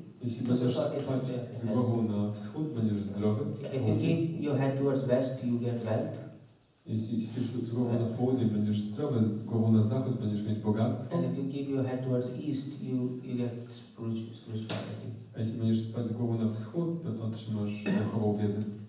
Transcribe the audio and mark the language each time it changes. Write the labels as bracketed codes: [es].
[pl] Jeśli będziesz spać z głową na wschód, będziesz zdrowy. [en] If you keep your head towards west, you get wealth. [pl] Jeśli śpisz z głową na południe, będziesz zdrowy, z głową na zachód, będziesz mieć bogactwo. [en] And if you keep your head towards east, you get spirituality. [pl] A jeśli będziesz spać z głową na wschód, to otrzymasz duchową wiedzę.